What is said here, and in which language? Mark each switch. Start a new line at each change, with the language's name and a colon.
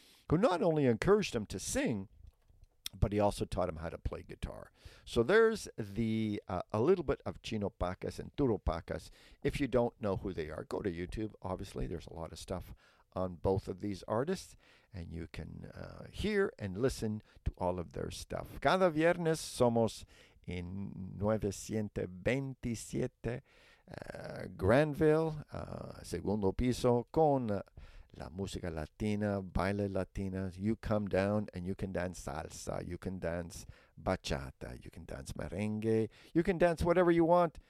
English: Who not only encouraged him to sing, but he also taught him how to play guitar. So there's a little bit of Chino Pacas and Turo Pacas. If you don't know who they are, go to YouTube. Obviously, there's a lot of stuff on both of these artists, and you can hear and listen to all of their stuff.
Spanish: Cada viernes somos en 927 Granville, segundo piso, con la música latina, baile latina.
English: You come down and you can dance salsa, you can dance bachata, you can dance merengue, you can dance whatever you want.